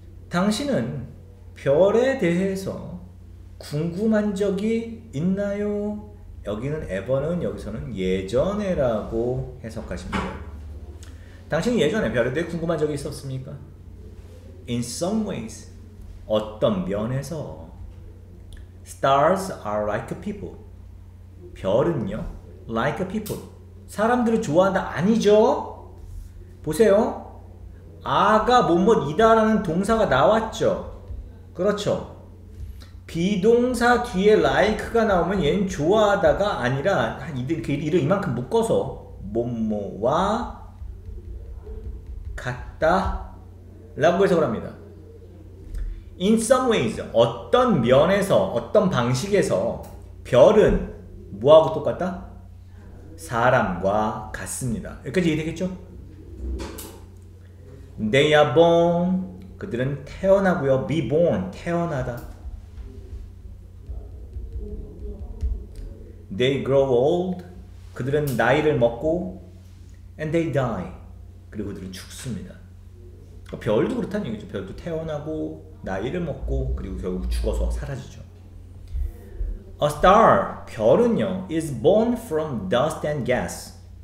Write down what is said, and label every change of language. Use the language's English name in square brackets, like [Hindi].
[Korean] 당신은 별에 대해서 궁금한 적이 있나요? 여기는 ever는 여기서는 예전에 라고 해석하시면 돼요. 당신이 예전에 별에 대해 궁금한 적이 있었습니까? [English] In some ways, [Korean] 어떤 면에서 [English] stars are like people. [Korean] 별은요? [English] like people. [Korean] 사람들을 좋아한다 아니죠? 보세요. 아가 뭐뭐이다 라는 동사가 나왔죠. 그렇죠. 비동사 뒤에 like가 나오면 얘는 좋아하다가 아니라 이를 이만큼 묶어서 뭐뭐와 같다 라고 해석을 합니다. [English] In some ways, [Korean] 어떤 면에서, 어떤 방식에서 별은 뭐하고 똑같다? 사람과 같습니다. 여기까지 이해되겠죠? [English] They are born. [Korean] 그들은 태어나고요. [English] Be born. [Korean] 태어나다. [English] They grow old. [Korean] 그들은 나이를 먹고. [English] And they die. [Korean] 그리고 그들은 죽습니다. 그러니까 별도 그렇다는 얘기죠. 별도 태어나고 나이를 먹고 그리고 결국 죽어서 사라지죠. [English] A star, [Korean] 별은요, [English] is born from dust and gas.